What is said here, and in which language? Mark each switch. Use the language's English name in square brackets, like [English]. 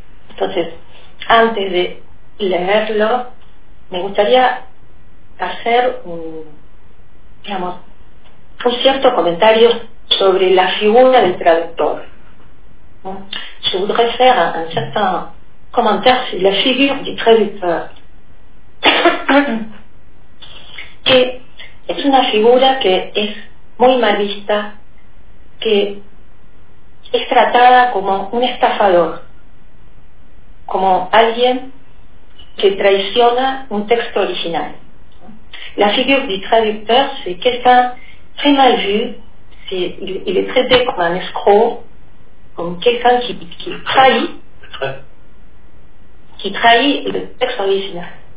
[Spanish] Entonces, antes de leerlo, me gustaría hacer un cierto comentario sobre la figura del traductor. [French] Je voudrais faire un certain commentaire sur la figure du traducteur. [Spanish] Que es una figura que es muy mal vista, que es tratada como un estafador, como alguien que traiciona un texto original. [French] La figure du traducteur, c'est quelqu'un très mal vu, il est traité comme un escroc, comme quelqu'un qui trahit le texte original.